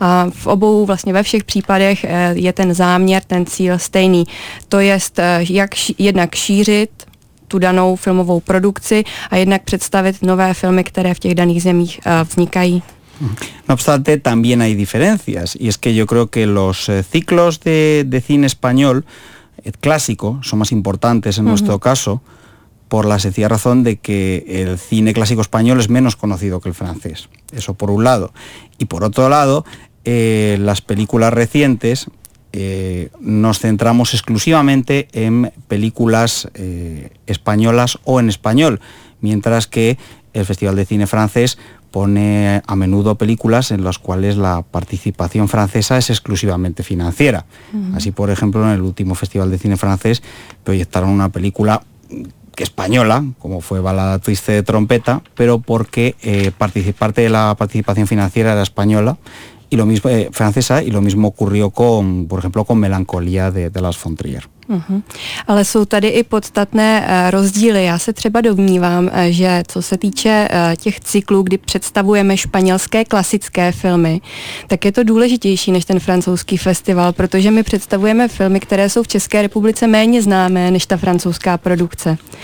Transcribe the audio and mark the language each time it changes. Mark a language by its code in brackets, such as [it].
[cs] V obou, vlastně ve všech případech je ten záměr, ten cíl stejný. To jest, jak jednak šířit tu danou filmovou produkci a jednak představit nové filmy, které v těch daných zemích vznikají. [es] No obstante, también hay diferencias. Y es que yo creo que los ciclos de cine español el clásico, son más importantes en nuestro caso, por la sencilla razón de que el cine clásico español es menos conocido que el francés. Eso por un lado. Y por otro lado, las películas recientes nos centramos exclusivamente en películas españolas o en español, mientras que el Festival de Cine Francés pone a menudo películas en las cuales la participación francesa es exclusivamente financiera. Así, por ejemplo, en el último Festival de Cine Francés proyectaron una película española, como fue Balada Triste de Trompeta, pero porque parte de la participación financiera era española y lo mismo francesa y lo mismo ocurrió con, por ejemplo, con Melancolía de Lars von Trier. [cs] Ale jsou tady i podstatné rozdíly. Já se třeba domnívám, že co se týče těch cyklů, kdy představujeme španělské klasické filmy, tak je to důležitější než ten francouzský festival, protože my představujeme filmy, které jsou v České republice méně známé než ta francouzská produkce.